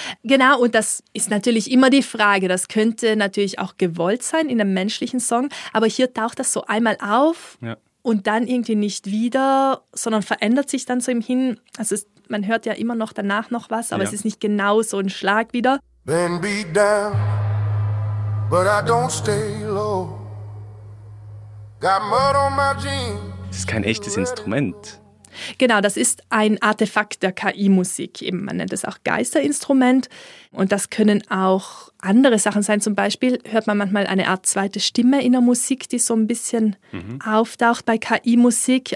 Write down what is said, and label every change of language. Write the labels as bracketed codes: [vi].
[de] Genau, und das ist natürlich immer die Frage, das könnte natürlich auch gewollt sein in einem menschlichen Song, aber hier taucht das so einmal auf. Ja. Und dann irgendwie nicht wieder, sondern verändert sich dann so im Hin. Also es, man hört ja immer noch danach noch was, aber ja. Es ist nicht genau so ein Schlag wieder. [en] Been beat down, but I don't stay low. Got mud on my jeans. [de] Das ist kein echtes Instrument. Genau, das ist ein Artefakt der KI-Musik. Eben, man nennt es auch Geisterinstrument. Und das können auch andere Sachen sein. Zum Beispiel hört man manchmal eine Art zweite Stimme in der Musik, die so ein bisschen auftaucht bei KI-Musik.